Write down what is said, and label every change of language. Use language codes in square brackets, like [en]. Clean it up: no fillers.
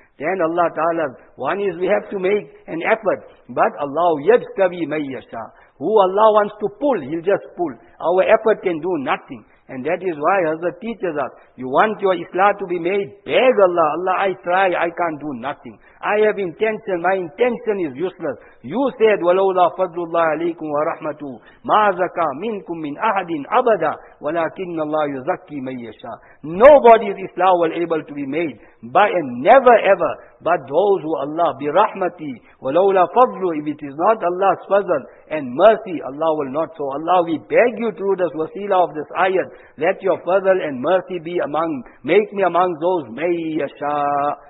[en] Then Allah Ta'ala, one is we have to make an effort, but Allah yajtabi may yasha. Who Allah wants to pull, He'll just pull. Our effort can do nothing. And that is why Hazrat teaches us, you want your islah to be made, beg Allah, Allah, I try, I can't do nothing. I have intention, my intention is useless. [ar] You said, وَلَوْلَا فَضْلُ اللَّهِ عَلَيْكُمْ وَرَحْمَتُهُ مَا زَكَى مِنْكُمْ مِنْ أَحَدٍ أَبَدًا وَلَكِنَّ اللَّهَ يُزَكِّي مَنْ يَشَاءُ. [en] Nobody's islah will able to be made, by and never ever, but those who Allah, [ar] بِرَحْمَتِي وَلَوْلَا فَضْلُ, [en] if it is not Allah's fazl and mercy, Allah will not. So Allah, we beg you through this wasila of this ayat, let your fazl and mercy be among, make me among those, may yasha.